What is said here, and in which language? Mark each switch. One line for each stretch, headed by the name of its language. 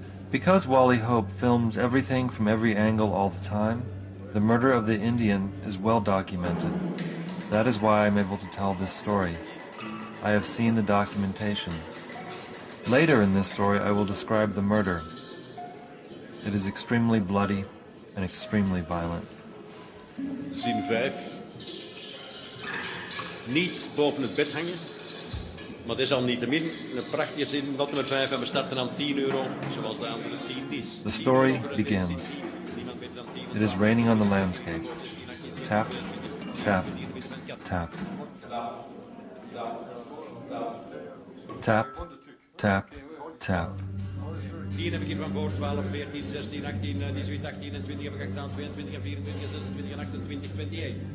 English: Because Wally Hope films everything from every angle all the time, the murder of the Indian is well documented. That is why I'm able to tell this story. I have seen the documentation. Later in this story, I will describe the murder. It is extremely bloody and extremely violent.
Dutch: Zin 5. Niet boven het bed hangen, maar dat is al niet te min. Een prachtige zin, dat nummer 5, en we starten aan 10 euro, zoals de andere 10 is.
English: The story begins. It is raining on the landscape. Tap, tap, tap. Tap, tap, tap.
Dutch: 10 heb ik hier van boord, 12, 14, 16, 18, 19, 18, 20 heb ik achteraan, 22, 24, 26, 28, 28.